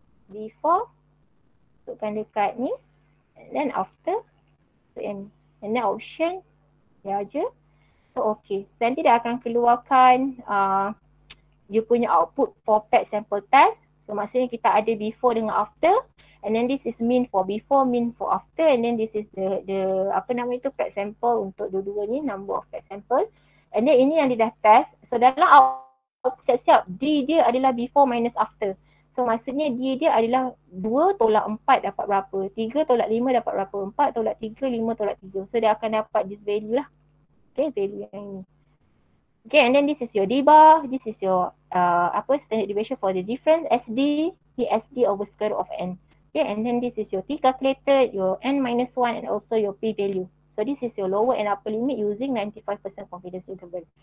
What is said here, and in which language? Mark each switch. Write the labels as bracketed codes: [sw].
[en] Before, [ms] masukkan dekat ni [en] and then after, so and then option, [ms] dia aja. [en] So okay, [ms] nanti dia akan keluarkan [en] you [ms] punya [en] output for paired sample test. [ms] So maksudnya kita ada before dengan after. [en] And then this is mean for before, mean for after. And then this is the [ms] apa nama itu, [en] paired sample [ms] untuk dua-dua ni, [en] number of paired sample. And then [ms] ini yang dia dah test. [en] So [ms] dalam [en] output [ms] siap-siap, D dia adalah [en] before minus after. [ms] So maksudnya D dia adalah 2 tolak 4 dapat berapa, 3 tolak 5 dapat berapa, 4 tolak 3, 5 tolak 3. So dia akan dapat [en] this value [ms] lah. Okay, value yang ini. [en] Okay, and then this is your D-bar. This is your [ms] apa, [en] standard deviation for the difference, SD, PSD over square root of N. Okay, and then this is your T calculator, your N minus 1 and also your P value. So this is your lower and upper limit using 95% confidence interval.